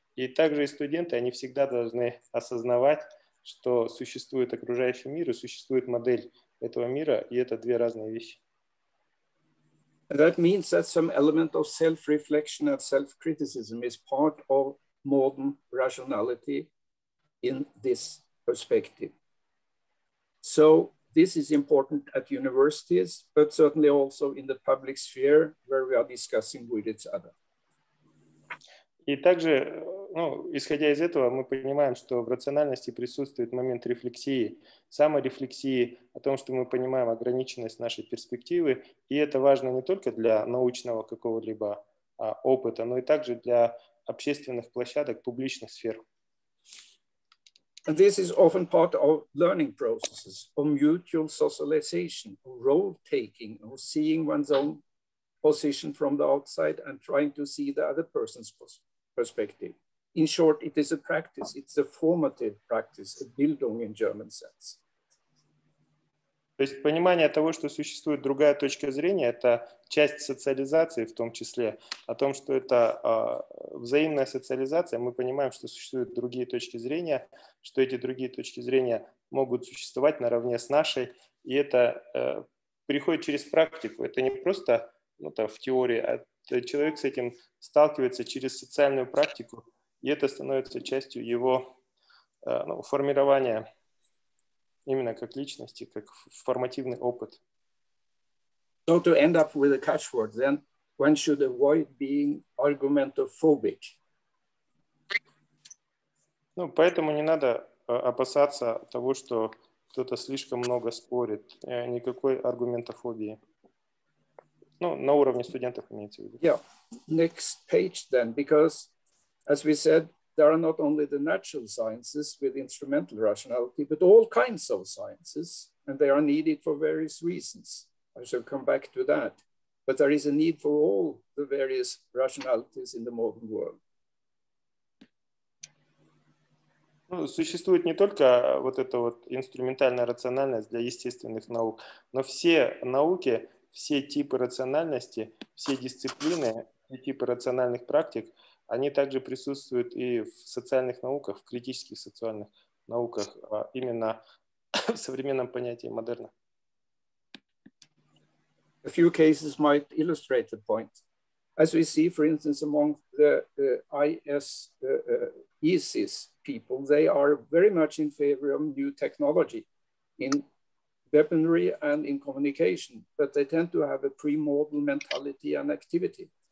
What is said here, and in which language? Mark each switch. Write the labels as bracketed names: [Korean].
[Russian] И также и студенты, они всегда должны осознавать, что существует окружающий мир и существует модель этого мира, и это две разные вещи. [English] That means that some element of self-reflection and self-criticism is part of modern rationality in this perspective. So this is important at universities, but certainly also in the public sphere where we are discussing with each other. [Russian] И также, исходя из этого, мы понимаем, что в рациональности присутствует момент рефлексии, саморефлексии о том, что мы понимаем ограниченность нашей перспективы, и это важно не только для научного какого-либо опыта, но и также для общественных площадок, публичных сфер. [English] And this is often part of learning processes, of mutual socialization, of role-taking, of seeing one's own position from the outside and trying to see the other person's perspective. In short, it is a practice. It's a formative practice, a Bildung in German sense. [Russian] То есть понимание того, что существует другая точка зрения, это часть социализации в том числе. О том, что это взаимная социализация, мы понимаем, что существуют другие точки зрения, что эти другие точки зрения могут существовать наравне с нашей. И это приходит через практику. Это не просто ну, там, в теории, а человек с этим сталкивается через социальную практику, и это становится частью его ну, формирования. Именно как личности, как формативный опыт. [English] So to end up with a catchword, then one should avoid being argumentophobic. [Russian] Ну, поэтому не надо опасаться того, что кто-то слишком много спорит. Никакой аргументофобии. Ну, на уровне студентов имеется в виду. [English] Yeah. Next page then, because, as we said, there are not only the natural sciences with instrumental rationality, but all kinds of sciences, and they are needed for various reasons. I shall come back to that. But there is a need for all the various rationalities in the modern world. [Russian] Ну, существует не только вот эта вот инструментальная рациональность для естественных наук, но все науки, все типы рациональности, все дисциплины, все типы рациональных практик, они также присутствуют и в социальных науках, в критических социальных науках, а именно в современном понятии модерна. [English] A few cases might illustrate the point. As we see, for instance, among the ISIS people, they are very much in favor of new technology in weaponry and in communication, but they tend to have a pre-modal mentality and activity.